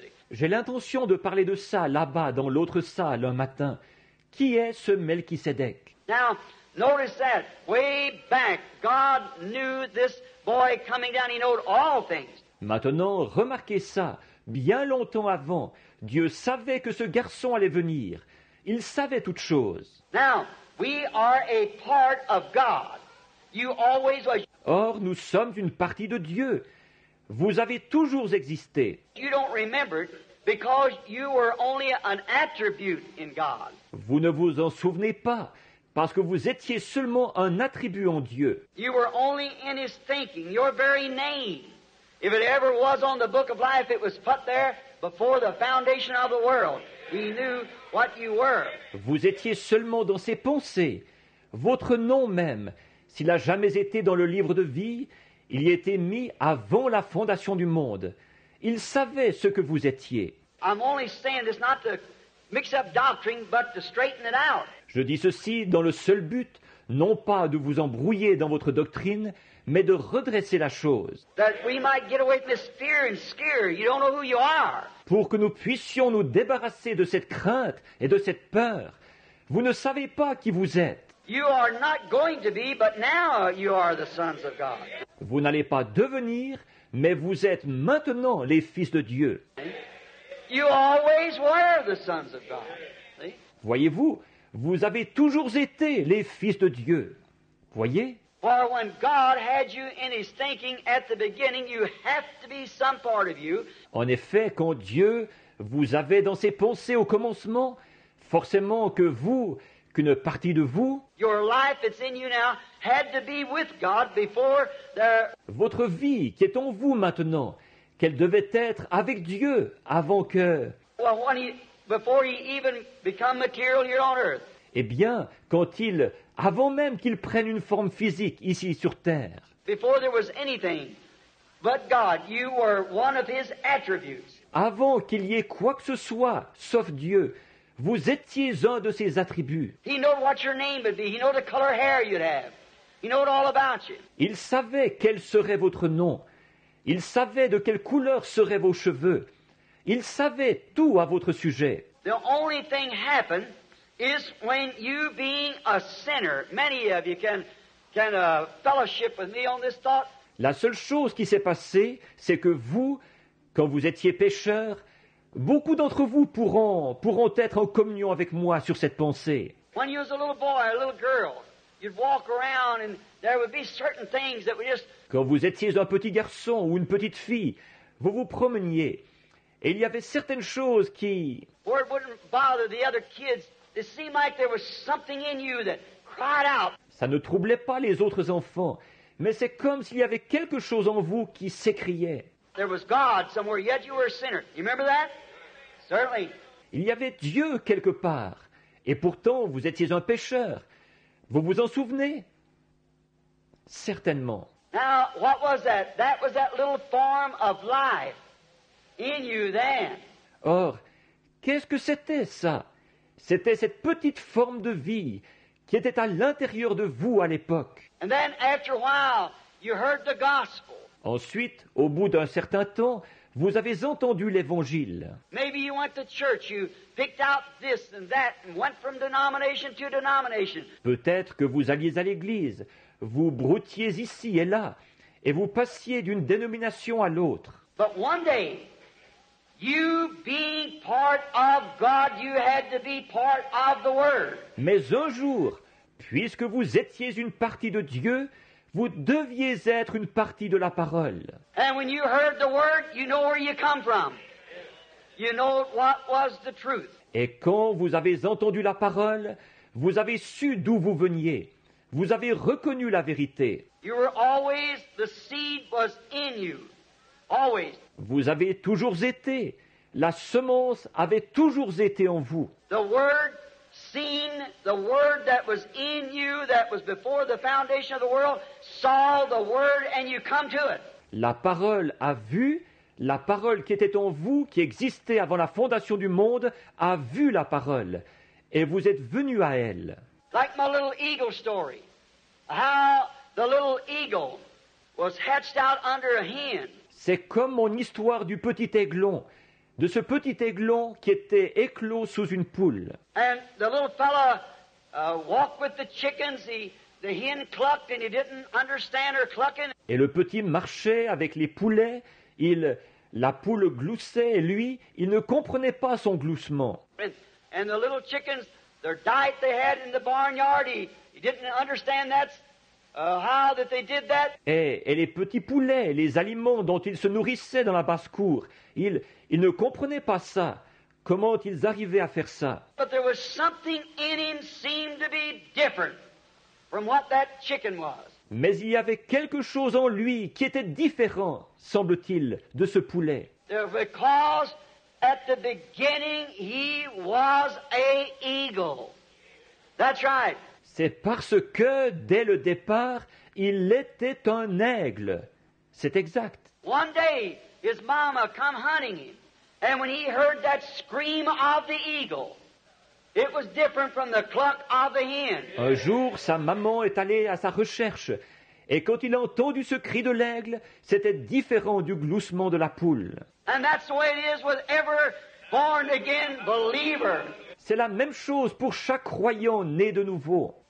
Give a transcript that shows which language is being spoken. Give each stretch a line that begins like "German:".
French: J'ai l'intention de parler de ça là-bas dans l'autre salle un matin. Qui est ce Melchisédek?
English: Now, notice that way back, God knew this boy coming down. He knew all things.
French: Maintenant, remarquez ça. Bien longtemps avant, Dieu savait que ce garçon allait venir. Il savait toutes choses.
English: Now, we are a part of God. You always was.
French: Or, nous sommes une partie de Dieu. Vous avez toujours existé.
English: You don't remember it because you were only an attribute in God.
French: Vous ne vous en souvenez pas parce que vous étiez seulement un attribut en Dieu.
English: You were only in his thinking, your very name. If it ever was on the book of life, it was put there before the foundation of the world. He knew what you were.
French: Vous étiez seulement dans ses pensées, votre nom même. S'il a jamais été dans le livre de vie, il y était mis avant la fondation du monde. Il savait ce que vous étiez.
English: I'm only saying this not to mix up doctrine, but to straighten it out.
French: Je dis ceci dans le seul but, non pas de vous embrouiller dans votre doctrine, mais de redresser la chose.
English: That we might get away from this fear and scare. You don't know who you are.
French: Pour que nous puissions nous débarrasser de cette crainte et de cette peur. Vous ne savez pas qui vous êtes.
English: You are not going to be, but now you are the sons of God.
French: Vous n'allez pas devenir, mais vous êtes maintenant les fils de Dieu.
English: You always were the sons of God. See?
French: Voyez-vous, vous avez toujours été les fils de Dieu. Voyez?
English: For when God had you in his thinking at the beginning, you have to be some part of you.
French: En effet, quand Dieu vous avait dans ses pensées au commencement, forcément que vous, qu'une partie de vous,
English: your life that's in you now had to be with God before there.
French: Votre vie qui est en vous maintenant, qu'elle devait être avec Dieu avant que.
English: Well, when he, before he even become material here on earth.
French: Eh bien, quand il, avant même qu'il prenne une forme physique ici sur terre.
English: Before there was anything but God, you were one of his attributes.
French: Avant qu'il y ait quoi que ce soit, sauf Dieu, vous étiez un de ses attributs.
English: He knew what your name would be. He knew the color hair you'd have. He knew all about you.
French: Il savait quel serait votre nom. Il savait de quelle couleur seraient vos cheveux. Il savait tout à votre sujet.
English: The only thing happened is when you being a sinner, many of you can fellowship with me on this thought.
French: La seule chose qui s'est passée, c'est que vous, quand vous étiez pécheur, beaucoup d'entre vous pourront être en communion avec moi sur cette pensée.
English: When you was a little boy, a little girl, you'd walk around and there would be certain things that would just.
French: Quand vous étiez un petit garçon ou une petite fille, vous vous promeniez et il y avait certaines choses qui.
English: Or it wouldn't bother the other kids. It seemed like there was something in you that cried out.
French: Ça ne troublait pas les autres enfants, mais c'est comme s'il y avait quelque chose en vous qui s'écriait.
English: There was God somewhere, yet you were a sinner. You remember that? Certainly.
French: Il y avait Dieu quelque part, et pourtant vous étiez un pécheur. Vous vous en souvenez? Certainement.
English: Now, what was that? That was that little form of life in you then.
French: Or, qu'est-ce que c'était ça? C'était cette petite forme de vie qui était à l'intérieur de vous à l'époque.
English: And then, after a while, you heard the gospel.
French: Ensuite, au bout d'un certain temps, vous avez entendu l'Évangile.
English: Maybe you went to church, you picked out this and that and went from denomination to denomination.
French: Peut-être que vous alliez à l'église, vous broutiez ici et là, et vous passiez d'une dénomination à l'autre.
English: But one day, you being part of God, you had to be part of the Word.
French: Mais un jour, puisque vous étiez une partie de Dieu, vous deviez être une partie de la parole.
English: And when you heard the word, you know where you come from. You know what was the truth.
French: Et quand vous avez entendu la parole, vous avez su d'où vous veniez. Vous avez reconnu la vérité.
English: You were always, the seed was in you. Always.
French: Vous avez toujours été. La semence avait toujours été en vous.
English: The word seen, the word that was in you, that was before the foundation of the world, saw the word and you come to it.
French: La parole a vu, la parole qui était en vous, qui existait avant la fondation du monde, a vu la parole et vous êtes venu à elle.
English: Like my little eagle story, how the little eagle was hatched out under a hen.
French: C'est comme mon histoire du petit aiglon, de ce petit aiglon qui était éclos sous une poule.
English: And the little fella walked with the chickens. The hen clucked and he didn't understand her clucking.
French: Et le petit marchait avec les poulets. La poule gloussait et lui, il ne comprenait pas son gloussement.
English: And the little chickens, their diet they had in the barnyard, he didn't understand how that they did that.
French: Et les petits poulets, les aliments dont ils se nourrissaient dans la basse-cour, ils ne comprenaient pas ça. Comment ils arrivaient à faire ça?
English: But there was something in him seemed to be different. From what that chicken was.
French: Mais il y avait quelque chose en lui qui était différent, semble-t-il, de ce poulet.
English: Because at the beginning he was a eagle. That's right.
French: C'est parce que dès le départ, il était un aigle. C'est exact.
English: One day his mama come hunting him, and when he heard that scream of the eagle. It was different from the cluck of the hen.
French: Un jour, sa maman est allée à sa recherche, et quand il a entendu ce cri de l'aigle, c'était différent du gloussement de la poule.
English: And that's the way it is with every born again believer.
French: C'est la même chose pour chaque croyant né de nouveau.